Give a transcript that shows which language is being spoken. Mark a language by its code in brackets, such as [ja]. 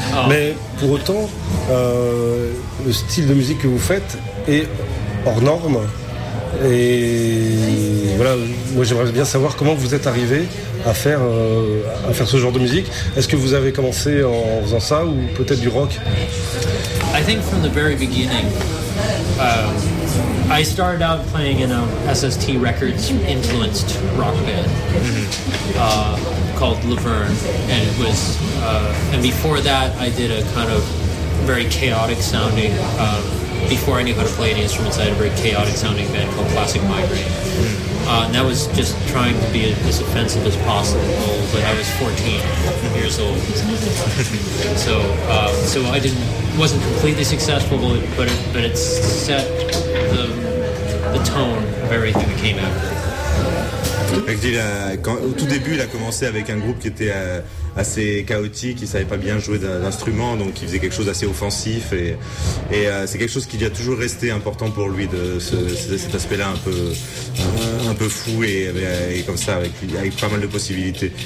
[fr] Mais pour autant, le style de musique que vous faites est hors norme. Et voilà, moi j'aimerais bien savoir comment vous êtes arrivé à faire ce genre de musique. Est-ce que vous avez commencé en faisant ça ou peut-être du rock? [en] I think from the very beginning, I started out playing in a SST Records influenced rock band called Laverne, and it was and before that I did a kind of very chaotic sounding before I knew how to play any instruments. I had a very chaotic sounding band called Classic Migraine, and that was just trying to be as offensive as possible. But I was 14 years old, so I wasn't completely successful, but it set the tone of everything that came out. [fr] Au tout début, il a commencé avec un groupe qui était assez chaotique, il savait pas bien jouer d'instrument, donc il faisait quelque chose d'assez offensif. Et c'est quelque chose qui lui a toujours resté important pour lui, de cet aspect-là un peu fou et comme ça, avec pas mal de possibilités.